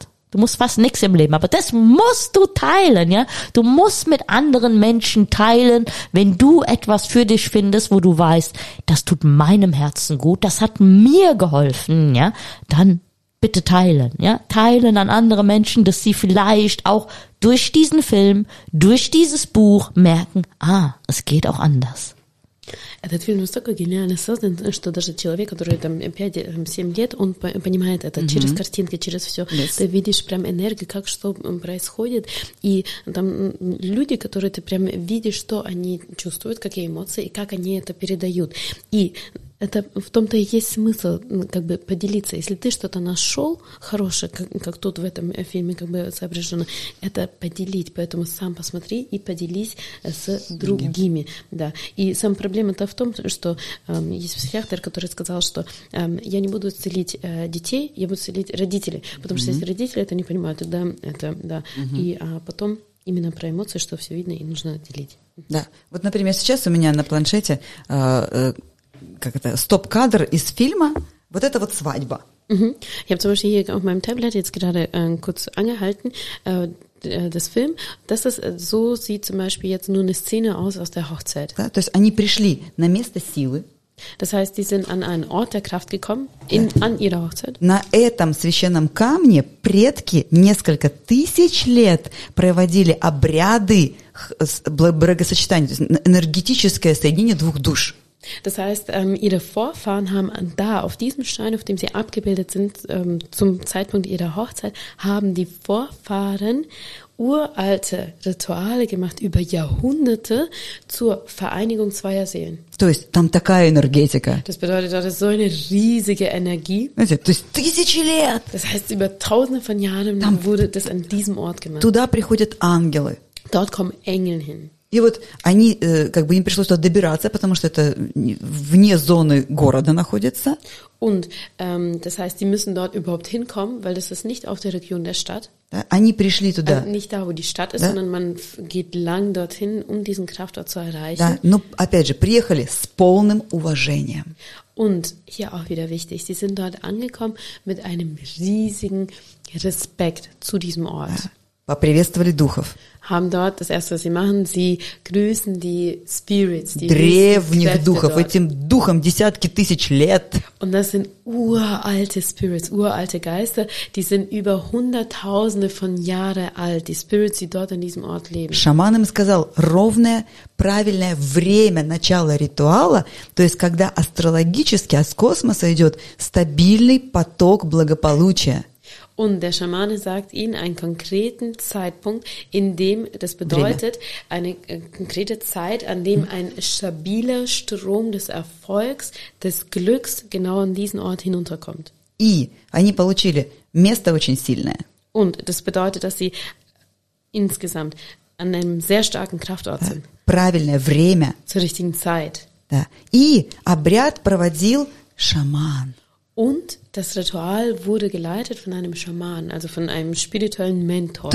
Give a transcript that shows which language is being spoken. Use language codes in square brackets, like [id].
[de] Du musst fast nichts im Leben, aber das musst du teilen, ja. Du musst mit anderen Menschen teilen, wenn du etwas für dich findest, wo du weißt, das tut meinem Herzen gut, das hat mir geholfen, ja. Dann bitte teilen, ja. Teilen an andere Menschen, dass sie vielleicht auch durch diesen Film, durch dieses Buch merken, ah, es geht auch anders. [ru] Этот фильм настолько гениально создан, что даже человек, который там 5-7 лет, он понимает это mm-hmm. через картинки, через все. [en] Yes. [ru] Ты видишь прям энергию, как что происходит. И там люди, которые ты прям видишь, что они чувствуют, какие эмоции, и как они это передают. И Это в том-то и есть смысл, как бы, поделиться. Если ты что-то нашел хорошее, как тут в этом фильме как бы соображено, это поделить. Поэтому сам посмотри и поделись с другими. Да. И сама проблема-то в том, что есть психиатр, который сказал, что я не буду исцелить детей, я буду исцелить родителей. Потому что если родители это не понимают, тогда это, да. И потом именно про эмоции, что все видно и нужно делить. Да. Вот, например, сейчас у меня на планшете... как это, стоп-кадр из фильма, вот это вот свадьба. Я потому что [de] hier auf meinem Tablet jetzt gerade kurz angehalten, das Film, das ist, so sieht zum Beispiel jetzt nur eine Szene aus der Hochzeit. [ru] Да, то есть они пришли на место силы. [de] Das heißt, die sind an einen Ort der Kraft gekommen, in, an ihre Hochzeit. [ru] На этом священном камне предки несколько тысяч лет проводили обряды благосочетания, энергетическое соединение двух душ. [de] Das heißt, ihre Vorfahren haben da auf diesem Stein, auf dem sie abgebildet sind, zum Zeitpunkt ihrer Hochzeit, haben die Vorfahren uralte Rituale gemacht über Jahrhunderte zur Vereinigung zweier Seelen. [ru] То есть там такая энергетика. [de] Das bedeutet, das ist so eine riesige Energie. [ru] То есть тысячи лет. [de] Das heißt, über Tausende von Jahren там wurde das an diesem Ort gemacht. [ru] Туда приходят ангелы. [de] Dort kommen Engel hin. [ru] И вот они, как бы им пришлось туда добираться, потому что это вне зоны города находится. [de] Und das heißt, die müssen dort überhaupt hinkommen, weil das ist nicht auf der Region der Stadt. [ru] Да, они пришли туда. [de] Nicht da, wo die Stadt ist, да? Sondern man geht lang dorthin, um diesen Kraftort zu erreichen. [ru] Да, но опять же, приехали с полным уважением. [de] Und hier auch wieder wichtig, sie sind dort angekommen mit einem riesigen Respekt zu diesem Ort. [ru] Да. Поприветствовали духов. [de] Haben dort das erste, was sie machen, sie grüßen die Spirits, die [ru] древних духов, dort. Этим духам десятки тысяч лет. [de] Und das sind uralte Spirits, uralte Geister, die sind über hunderttausende von Jahren alt, die Spirits, die dort an diesem Ort leben. [ru] Шаман им сказал, ровное, правильное время начала ритуала, то есть когда астрологически, а с космоса идет стабильный поток благополучия. [de] Und der Schamane sagt ihnen einen konkreten Zeitpunkt, in dem, das bedeutet, eine konkrete Zeit, an dem ein stabiler Strom des Erfolgs, des Glücks genau an diesen Ort hinunterkommt. [ru] И они получили место очень сильное. [de] Und das bedeutet, dass sie insgesamt an einem sehr starken Kraftort sind. [ru] Правильное время. [de] Zur richtigen Zeit. [ru] Да. И обряд проводил шаман. [de] Und das Ritual wurde geleitet von einem Schaman, also von einem spirituellen Mentor.